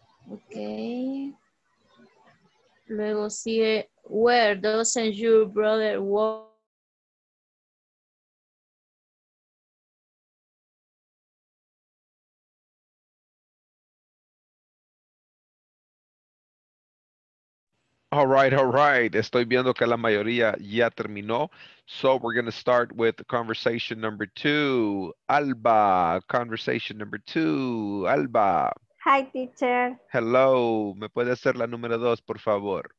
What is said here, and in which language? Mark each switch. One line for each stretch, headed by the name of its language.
English: Okay.
Spanish: Luego sigue,
English: where doesn't your brother work?
Spanish: All right, estoy viendo que la mayoría ya terminó.
English: So we're gonna start with conversation number two. Alba, conversation number two, Alba. Hi, teacher.
Spanish: Hello, ¿me puede hacer la número dos, por favor?